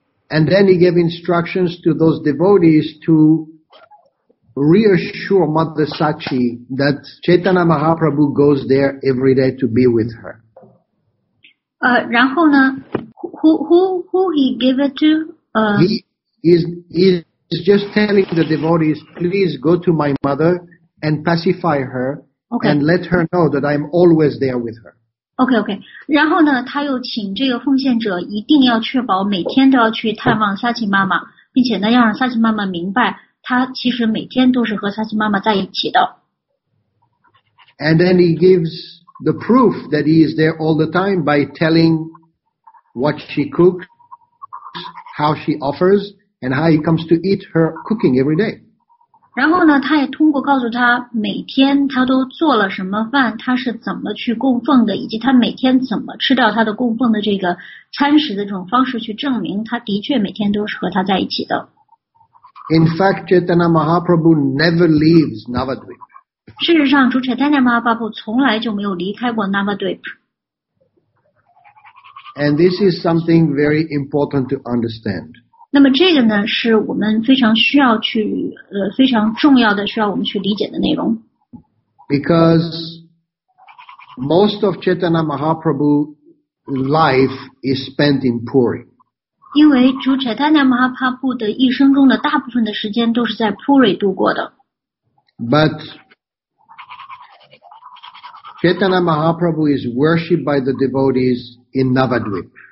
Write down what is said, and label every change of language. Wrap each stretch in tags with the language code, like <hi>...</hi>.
<en>And then he gave instructions to those devotees to reassure Mother Sachi that Chaitanya Mahaprabhu goes there every day to be with her.</en> <zh>然后呢</zh> <en>who he gave it to? He's just telling the devotees, please go to my mother and pacify her、 okay. and let her know that I'm always there with her. Okay, okay.</en> <zh>然后呢他又请这个奉献者一定要确保每天都要去探望萨奇妈妈，并且呢要让萨奇妈妈明白他其实每天都是和萨奇妈妈在一起的。</zh> <en>And then he gives the proof that he is there all the time by telling what she cooks, how she offers,and how he comes to eat her cooking every day.</en> <zh>然后呢他也通过告诉他每天他都做了什么饭，他是怎么去供奉的，以及他每天怎么吃到他的供奉的这个餐食的这种方式，去证明他的确每天都是和他在一起的。</zh> <en>In fact, Chaitanya Mahaprabhu never leaves Navadvip.</en> <zh>事实上主 Chaitanya Mahaprabhu 从来就没有离开过 Navadvip.</zh> <en>And this is something very important to understand.</en> <zh>那么这个呢是我们非常需要去非常重要的需要我们去理解的内容。</zh> <en>Because most of Chaitanya Mahaprabhu's life is spent in Puri.</en> <zh>因为主 Chaitanya Mahaprabhu 的一生中的大部分的时间都是在 Puri 度过的。</zh> <en>But Chaitanya Mahaprabhu is worshipped by the devotees in Navadvip.</en>